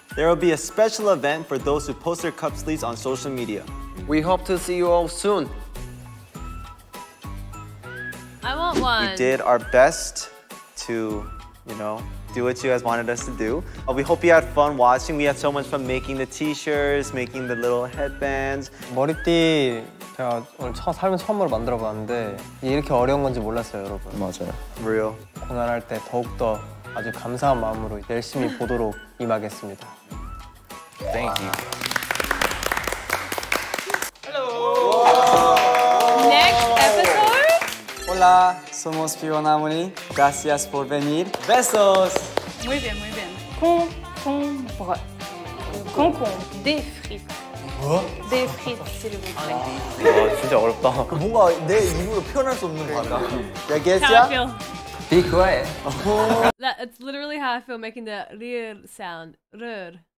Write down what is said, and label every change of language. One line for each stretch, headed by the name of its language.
English: There will be a special event for those who post their cup sleeves on social media. We hope to see you all soon. I want one. We did our best to, you know, do what you guys wanted us to do. We hope you had fun watching. We had so much fun making the t-shirts, making the little headbands.
Korean: 머리띠 제가 오늘 삶에 처음으로 만들어봤는데 이게 이렇게 어려운 건지 몰랐어요, 여러분. 맞아요.
English: Real.
Korean: 고난할 때 더욱더 아주 감사한 마음으로 열심히 보도록 임하겠습니다.
English: Thank you. Hello. Next episode.
Spanish: Hola, somos P1HARMONY. Gracias por venir. Besos. Muy bien, muy bien.
French: Concombre. Concombre. Des frites.
English: What?
French: Des frites, s'il vous plaît.
Korean: 와 진짜 어렵다. 뭔가 내 입으로 표현할 수 없는 거 같다. 알겠어?
English: Be quiet. That, it's literally how I feel making the rrr sound. Rrr.